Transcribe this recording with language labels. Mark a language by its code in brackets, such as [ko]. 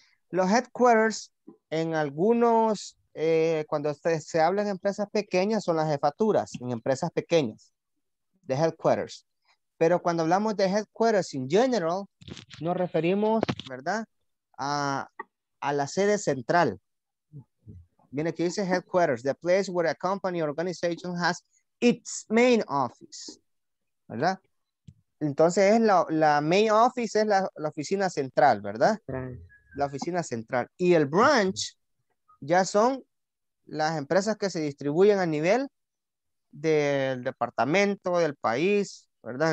[es] Los headquarters, en algunos, cuando se habla en empresas pequeñas, son las jefaturas, en empresas pequeñas, de headquarters. Pero cuando hablamos de headquarters in general, nos referimos, ¿verdad?, a la sede central. Viene aquí, dice [en] headquarters, the place where a company or organization has its main office. [es] ¿Verdad? Entonces es la main office, es la oficina central, ¿verdad? La oficina central. Y el branch ya son las empresas que se distribuyen a nivel del departamento, del país, ¿verdad?